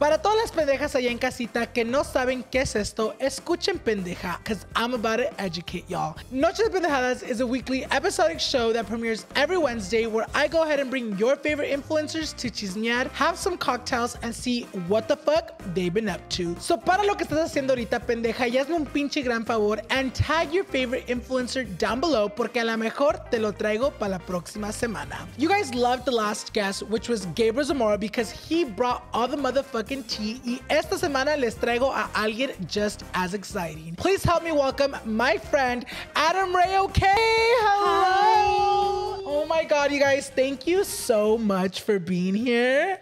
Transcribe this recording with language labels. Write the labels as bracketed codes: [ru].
[es] Para todas las pendejas allá en casita que no saben qué es esto, escuchen pendeja, [en] because I'm about to educate y'all. Noche De Pendejadas is a weekly episodic show that premieres every Wednesday where I go ahead and bring your favorite influencers to chismear, have some cocktails, and see what the fuck they've been up to. [es] So para lo que estás haciendo ahorita, pendeja, y hazme un pinche gran favor [en] and tag your favorite influencer down below [es] porque la mejor te lo traigo para la próxima semana. [en] You guys loved the last guest, which was Gabriel Zamora, because he brought all the motherfucking tea, [es] y esta semana les traigo a alguien [en] just as exciting. Please help me welcome my friend, AdamRayOkay. Hello! Hi. Oh my God, you guys, thank you so much for being here.